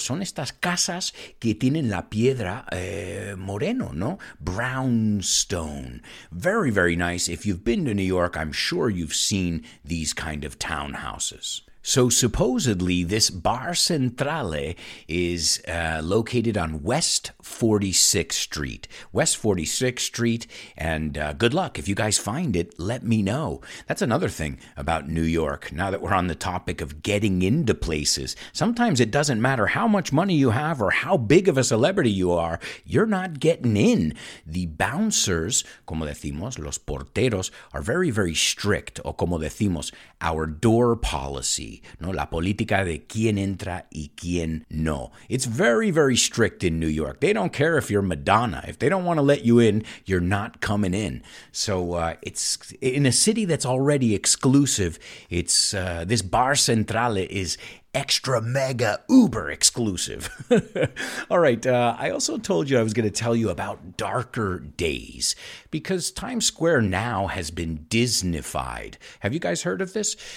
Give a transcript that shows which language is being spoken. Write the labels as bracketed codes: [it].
[es] Son estas casas que tienen la piedra moreno, ¿no? [en] Brownstone. Very, very nice. If you've been to New York, I'm sure you've seen these kind of townhouses. So supposedly, this Bar Centrale is located on West 46th Street. West 46th Street, and good luck. If you guys find it, let me know. That's another thing about New York, now that we're on the topic of getting into places. Sometimes it doesn't matter how much money you have or how big of a celebrity you are, you're not getting in. The bouncers, [es] como decimos, los porteros, [en] are very, very strict, [es] o como decimos, [en] our door policy. [es] No, la política de quién entra y quién no. [en] It's very, very strict in New York. They don't care if you're Madonna. If they don't want to let you in, you're not coming in. So it's in a city that's already exclusive. It's this Bar Centrale is extra mega uber exclusive. All right, I also told you I was going to tell you about darker days because Times Square now has been Disneyfied. Have you guys heard of this?